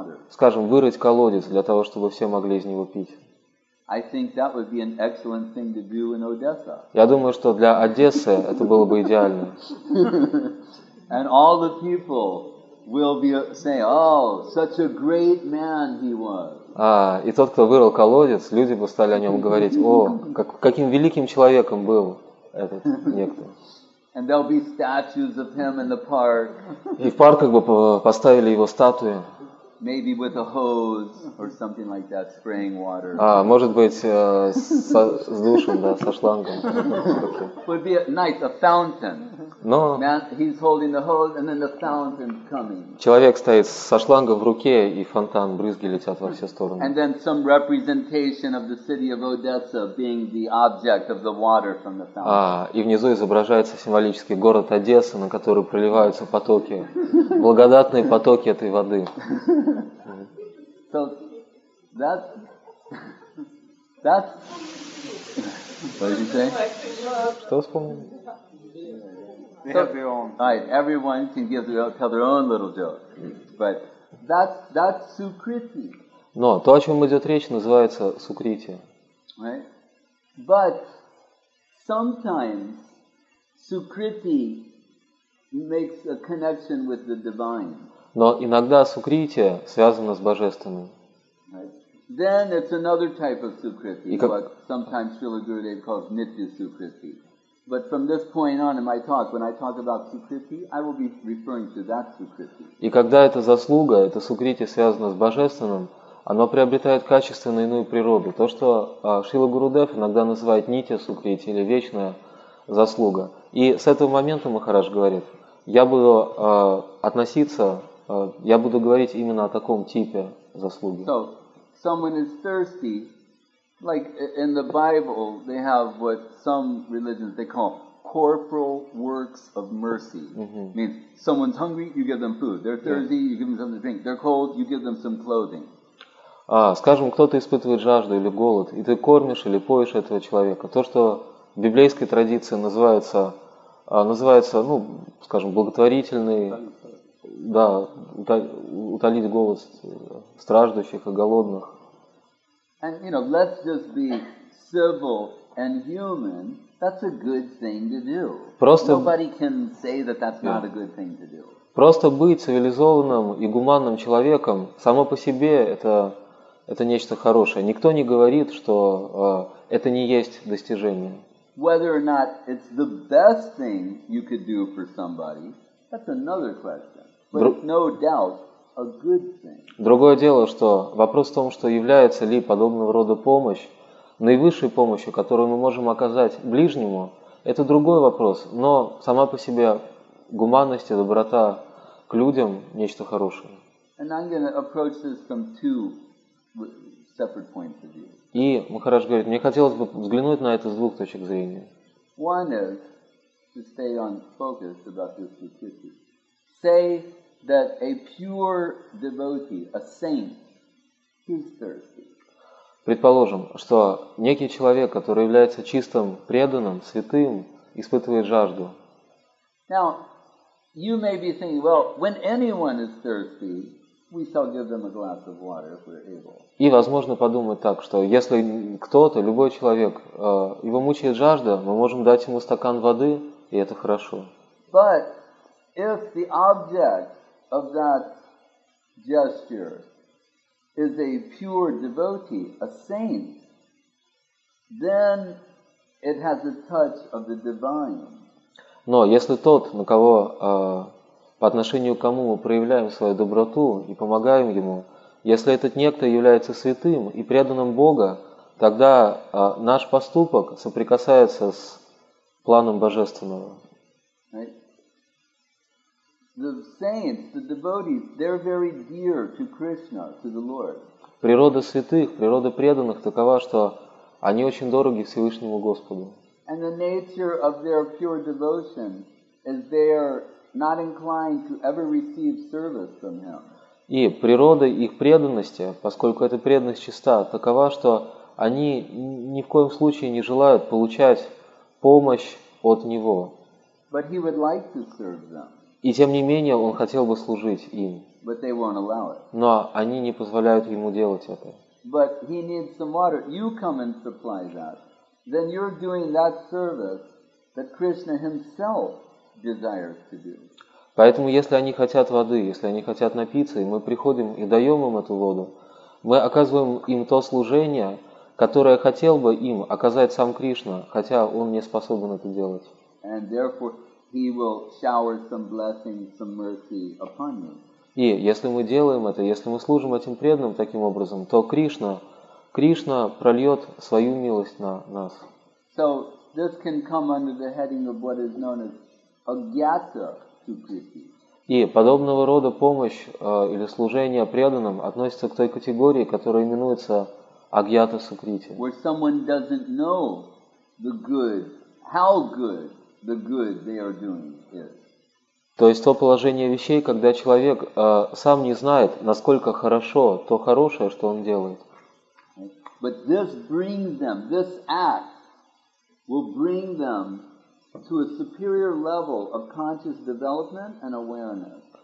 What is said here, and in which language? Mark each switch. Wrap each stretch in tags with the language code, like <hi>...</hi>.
<ru>Скажем, вырыть колодец для того, чтобы все могли из него пить. Я думаю, что для Одессы это было бы идеально.</ru> <en>And all the people will be saying, "Oh, such a great man he was."</en> <ru>И тот, кто вырыл колодец, люди бы стали о нем говорить: «О, каким великим человеком был этот некто!»</ru> <en>And there'll be statues of him in the park.</en> <ru>И в парках бы поставили его статуи.</ru> <en>Maybe with a hose or something like that, spraying water.</en> <ru>Может быть, с душем, да, со шлангом.</ru> <en>Would be at night a fountain.</en> <ru>Но</ru> <en>he's holding the hose, and then the fountain's coming.</en> <ru>Человек стоит со шлангом в руке, и фонтан, брызги летят во все стороны.</ru> <en>And then some representation of the city of Odessa being the object of the water from the fountain.</en> <ru>И внизу изображается символический город Одесса, на который проливаются потоки, благодатные потоки этой воды.</ru> <en>So that's what did you say?</en> <ru>Что вспомнил?</ru> <en>Right, everyone can tell their own little joke, but that's Sukriti.</en> <ru>Но то, о чем идет речь, называется Сукрити.</ru> <en>Right, but sometimes Sukriti makes a connection with the divine.</en> <ru>Но иногда Сукрити связано с божественным.</ru> <en>Then it's another type of Sukriti, what sometimes Srila Gurudev calls Nitya Sukriti. But from this point on in my talk, when I talk about Sukriti, I will be referring to that Sukriti.</en> <ru>И когда эта заслуга, это Сукрити связано с божественным, оно приобретает качественно иную природу. То, что Шрила Гурудев иногда называет Нитья Сукрити или вечная заслуга. И с этого момента Махарадж говорит, я буду говорить именно о таком типе заслуги.</ru> <en>So, someone is thirsty. Like in the Bible, they have what some religions they call corporal works of mercy. Mm-hmm. Means someone's hungry, you give them food. They're thirsty, yeah. You give them something to drink. They're cold, you give them some clothing.</en> <ru>Скажем, кто-то испытывает жажду или голод, и ты кормишь или поишь этого человека. То, что в библейской традиции называется, ну, скажем, благотворительный, да, утолить голод страждущих и голодных.</ru> <en>And you know, let's just be civil and human. That's a good thing to do.</en> <ru>Просто</ru> <en>nobody can say that that's not a good thing to do.</en> <ru>Просто быть цивилизованным и гуманным человеком само по себе это нечто хорошее. Никто не говорит, что это не есть достижение.</ru> <en>Whether or not it's the best thing you could do for somebody, that's another question. But it's no doubt. A good thing.</en> <ru>Другое дело, что вопрос в том, что является ли подобного рода помощь, наивысшей помощью, которую мы можем оказать ближнему, это другой вопрос. Но сама по себе гуманность и доброта к людям – нечто хорошее.</ru> <en>And I'm gonna approach this from two separate points of view.</en> <ru>И Махарадж говорит, мне хотелось бы взглянуть на это с двух точек зрения.</ru> <en>One is to stay on focus about this statistic. Say that a pure devotee, a saint, he's thirsty.</en> <ru>Предположим, что некий человек, который является чистым преданным, святым, испытывает жажду.</ru> <en>Now, you may be thinking, well, when anyone is thirsty, we shall give them a glass of water if we're able.</en> <ru>И возможно подумать так, что если кто-то, любой человек, его мучает жажда, мы можем дать ему стакан воды, и это хорошо.</ru> <en>But if the object of that gesture is a pure devotee, a saint, then it has a touch of the divine.</en> <ru>Но если тот, на кого, по отношению к кому мы проявляем свою доброту и помогаем ему, если этот некто является святым и преданным Бога, тогда наш поступок соприкасается с планом Божественного.</ru> <en>The saints, the devotees, they're very dear to Krishna, to the Lord.</en> <ru>Природа святых, природа преданных такова, что они очень дороги Всевышнему Господу.</ru> <en>And the nature of their pure devotion is they are not inclined to ever receive service from him.</en> <ru>И природа их преданности, поскольку эта преданность чиста, такова, что они ни в коем случае не желают получать помощь от него.</ru> <en>But he would like to serve them.</en> <ru>И тем не менее он хотел бы служить им.</ru> <en>But they won't allow it.</en> <ru>Но они не позволяют ему делать это.</ru> <en>But he needs some water. You come and supply that. Then you're doing that service that Krishna himself desires to do.</en> <ru>Поэтому, если они хотят воды, если они хотят напиться, и мы приходим и даем им эту воду, мы оказываем им то служение, которое хотел бы им оказать сам Кришна, хотя он не способен это делать.</ru> <en>And therefore he will shower some blessings, some mercy upon you.</en> <ru>И если мы делаем это, если мы служим этим преданным таким образом, то Кришна прольет свою милость на нас.</ru> <en>So this can come under the heading of what is known as agyata sukriti.</en> <ru>И подобного рода помощь или служение преданным относится к той категории, которая именуется агьята сукрити.</ru> <en>Where someone doesn't know the good, how good the good they are doing is.</en> <ru>То есть то положение вещей, когда человек сам не знает, насколько хорошо то хорошее, что он делает.</ru> <en>But this brings them, this act will bring them to a superior level of conscious development and awareness.</en>